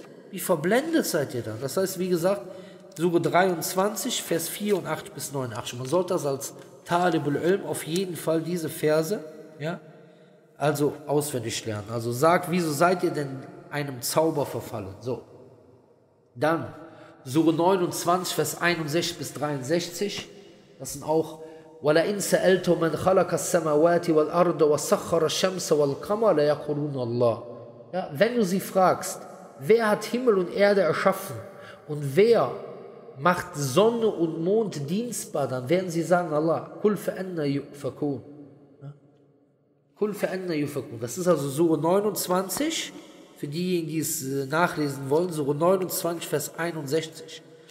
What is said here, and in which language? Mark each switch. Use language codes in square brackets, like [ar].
[de] Wie verblendet seid ihr da? Das heißt, wie gesagt, Sure 23, Vers 4 und 8 bis 9, 8. Man sollte das als Talibul Ilm auf jeden Fall diese Verse, ja, also auswendig lernen. Also sagt, wieso seid ihr denn einem Zauber verfallen? So. Dann, Sure 29, Vers 61 bis 63, das sind auch: [ar] وَلَئِنْ سَأَلْتُمْ مَنْ خَلَقَ السَّمَاوَاتِ وَالْأَرْضَ وَسَخَّرَ الشَّمْسَ وَالْقَمَرَ لَيَقُولُونَ اللَّهُ. [de] Ja, wenn du sie fragst, wer hat Himmel und Erde erschaffen und wer macht Sonne und Mond dienstbar, dann werden sie sagen Allah. [ar] كُلْ فَأَنَّ يُفَكُونَ. كُلْ فَأَنَّ يُفَكُونَ. [de] Das ist also Sure 29, für diejenigen, die es nachlesen wollen, Sure 29, Vers 61.